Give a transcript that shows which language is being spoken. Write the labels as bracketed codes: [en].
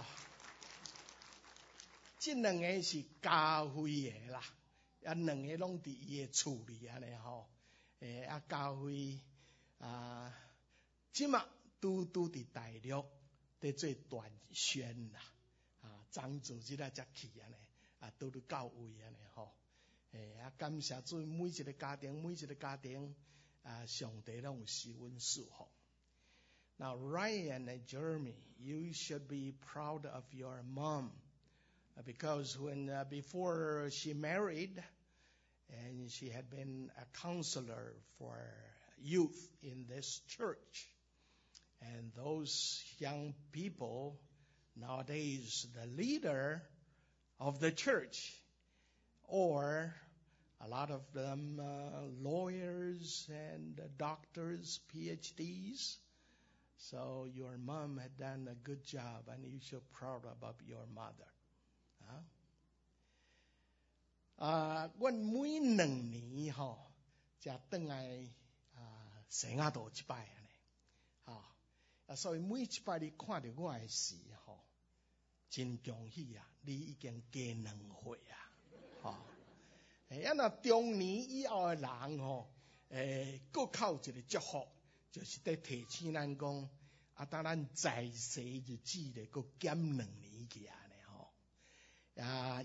[nan] 哦这两个是家辉的啦，啊，两个拢伫伊个厝里安尼吼，诶，啊，家辉啊，即马都伫大陆伫做短宣啦，啊，张组织来只去安尼，啊，都伫到位安尼吼，诶，啊，感谢做每一个家庭，每一个家庭啊，上帝拢施恩赐福。 [en] Now Ryan and Jeremy, you should be proud of your mom. Because when, before she married, and she had been a counselor for youth in this church, and those young people, nowadays the leader of the church, or a lot of them lawyers and doctors, PhDs, so your mom had done a good job, and you should be proud about your mother. [nan] 啊，阮每两年吼，才回来啊，圣雅道一摆呢，啊，所以每一摆你看到我的时吼，真恭喜啊，你已经加两岁啊，吼，哎呀，那中年以后的人吼，各靠一个祝福，就是在提醒咱讲，啊，当咱在世日子咧，搁减两年去啊。啊！